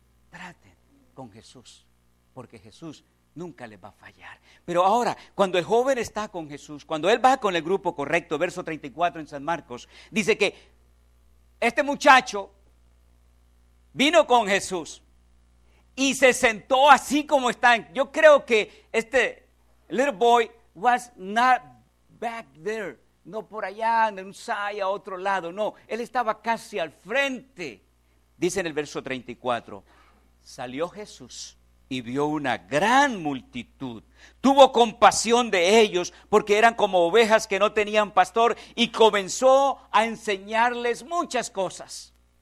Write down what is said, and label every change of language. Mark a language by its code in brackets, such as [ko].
[es] Traten con Jesús, porque Jesús nunca les va a fallar. Pero ahora, cuando el joven está con Jesús, cuando él va con el grupo correcto, verso 34 en San Marcos, dice que este muchacho vino con Jesús y se sentó así como están. Yo creo que este [en] little boy was not back there. [es] No por allá, en un side, a otro lado. No, él estaba casi al frente. Dice en el verso 34, salió Jesús y vio una gran multitud. Tuvo compasión de ellos porque eran como ovejas que no tenían pastor y comenzó a enseñarles muchas cosas.